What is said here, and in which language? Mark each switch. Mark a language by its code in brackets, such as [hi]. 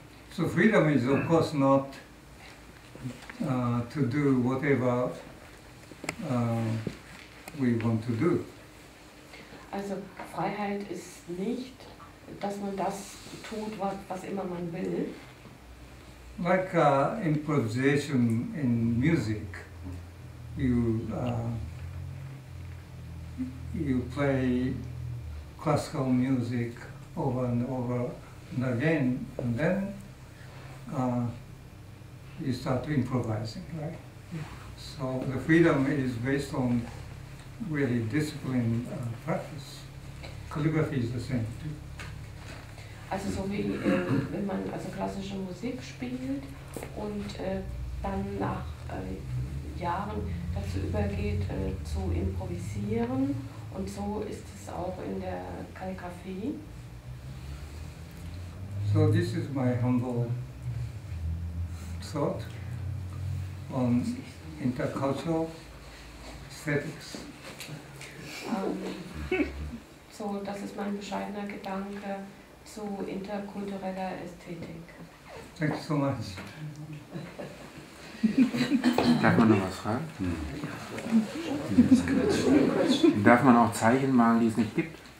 [en] It's So freedom is of course not to do whatever we want to do. [de] Also Freiheit ist nicht, dass man das tut, was immer man will. [en] Like improvisation in music, you play classical music over and over and again, and then you start improvising, right? So the freedom is based on really disciplined practice. Calligraphy is the same too. [de] Also so wie wenn man also klassische Musik spielt und dann nach Jahren dazu übergeht zu improvisieren, und so ist es auch in der Kalligraphie. [en] So this is my humble thought on intercultural aesthetics. [de] So das ist mein bescheidener Gedanke zu interkultureller Ästhetik. [en] Thank you so much. [de] Darf man noch was fragen? Darf man auch Zeichen malen, die es nicht gibt?